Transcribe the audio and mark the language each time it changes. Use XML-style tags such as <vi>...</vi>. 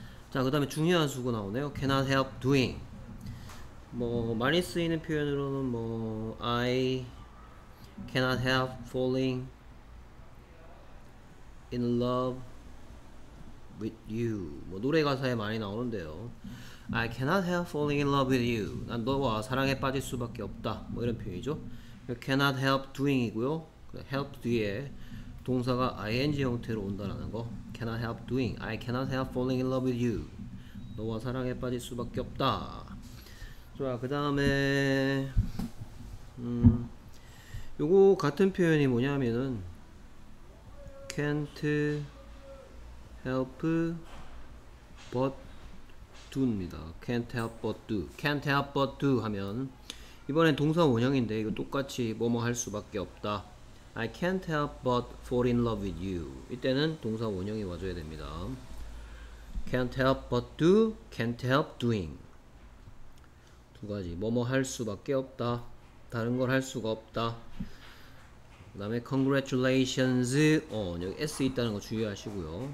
<ko>자, 그다음에 중요한 수거 나오네요.</ko> <en>Cannot help doing</en> <ko>뭐 많이 쓰이는 표현으로는 뭐</ko> <en>I cannot help falling in love with you.</en> <ko>뭐 노래 가사에 많이 나오는데요.</ko> <en>I cannot help falling in love with you.</en> <ko>난 너와 사랑에 빠질 수밖에 없다. 뭐 이런 표현이죠.</ko> <en>cannot help doing</en> <ko>이고요. help 뒤에 동사가 ing 형태로 온다라는 거. cannot help doing.</ko> <en>I cannot help falling in love with you.</en> <ko>너와 사랑에 빠질 수밖에 없다. 좋아. 그다음에 요거 같은 표현이 뭐냐면은</ko> <en>can't help but do</en> <ko>입니다.</ko> <en>can't help but do. can't help but do</en> <ko>하면 이번엔 동사 원형인데 이거 똑같이 뭐뭐 할 수밖에 없다.</ko> <en>I can't help but fall in love with you.</en> <ko>이때는 동사 원형이 와줘야 됩니다.</ko> <en>can't help but do, can't help doing.</en> <ko>두 가지 뭐뭐 할 수밖에 없다. 다른 걸할 수가 없다. 그 다음에</ko> <en>congratulations on</en> <ko>여기 s 있다는 거 주의하시고요.</ko>